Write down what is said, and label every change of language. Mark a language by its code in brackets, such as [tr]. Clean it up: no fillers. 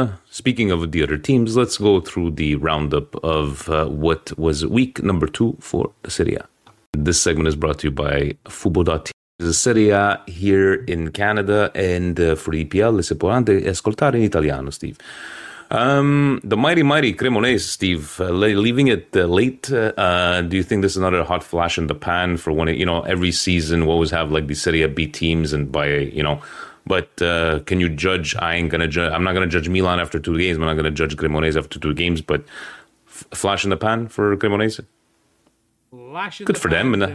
[en] Speaking of the other teams, let's go through the roundup of what was week number two for the Serie A. This segment is brought to you by Fubo.tv. This is Serie A here in Canada, and for EPL, [it] se può anche ascoltare in italiano, [en] Steve. The mighty, mighty Cremonese, Steve, leaving it late. Do you think this is another hot flash in the pan for when, you know, every season we always have like the Serie A B teams and by, you know, but can you judge? I'm not going to judge Milan after two games. I'm not going to judge Cremonese after two games, but flash in the pan for Cremonese? Good for them.